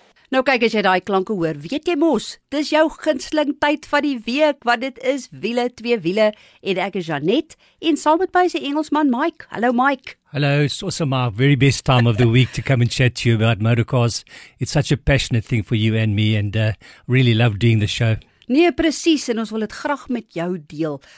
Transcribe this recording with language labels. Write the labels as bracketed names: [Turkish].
[Afrikaans] Nou kyk as jy daai klanke hoor, weet jy mos, dis jou gunsteling tyd van die week, want dit is wiele, twee wiele, en ek is Janette, en saam met my is die Engelsman Mike. Hallo Mike. [English] Hello, it's also my very best time of the week to come and chat to you about motorcars. It's such a passionate thing for you and me, and really love doing the show. [Afrikaans] Nee, precies, en ons wil het graag met jou deel.